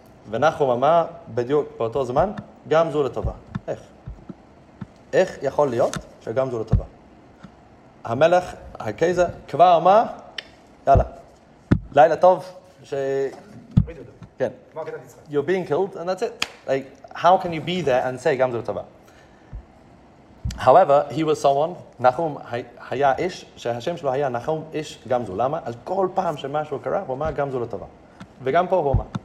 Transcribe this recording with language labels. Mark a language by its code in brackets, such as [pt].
[he] ונחום אמר, בדיוק באותו זמן, גם זו לטובה. איך? איך יכול להיות שגם זו לטובה? המלך, הקיזה, כבר אמר, יאללה. לילה טוב, ש... כן. [en] You're being killed, and that's it. Like, how can you be there and say, [he] גם זו לטובה? [en] However, he was someone, [he] נחום היה איש, שהשם שלו היה נחום איש גם זו. למה? אז כל פעם שמשהו קרה, הוא אמר, גם זו לטובה. וגם פה הוא אמר.